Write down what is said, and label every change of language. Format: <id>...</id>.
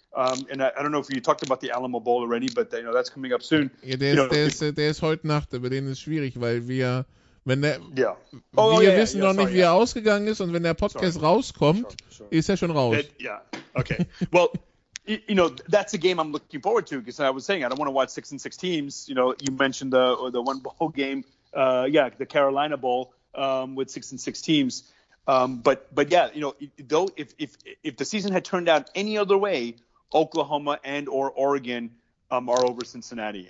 <en>And I don't know if you talked about the Alamo Bowl already, but you know, that's coming up soon.</en> <de>Yeah, der ist heute Nacht, aber den ist schwierig, weil wir wie er ausgegangen ist, und wenn der Podcast rauskommt, ist er schon raus.</de> <en>Okay. Well, you know, that's a game I'm looking forward to, because I was saying I don't want to watch 6-6 teams. You know, you mentioned the one bowl game, the Carolina Bowl with 6-6 teams. But if the season had turned out any other way, Oklahoma and or Oregon are over Cincinnati.</en>